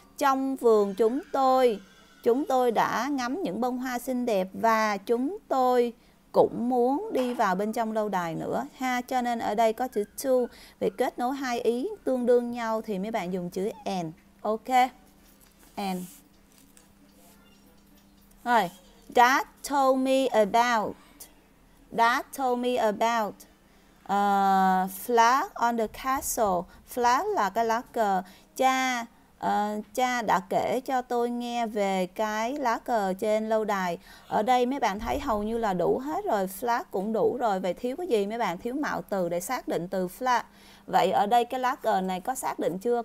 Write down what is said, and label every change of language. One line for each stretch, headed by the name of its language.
Vietnamese: Trong vườn chúng tôi đã ngắm những bông hoa xinh đẹp và chúng tôi cũng muốn đi vào bên trong lâu đài nữa ha. Cho nên ở đây có chữ to để kết nối hai ý tương đương nhau thì mấy bạn dùng chữ and. Ok, and. Rồi,
English: Dad told me about. Dad told me about flag on the castle.
Vietnamese: Flag là cái lá cờ. Cha đã kể cho tôi nghe về cái lá cờ trên lâu đài. Ở đây mấy bạn thấy hầu như là đủ hết rồi, flag cũng đủ rồi. Vậy thiếu cái gì mấy bạn? Thiếu mạo từ để xác định từ flag. Vậy ở đây cái lá cờ này có xác định chưa?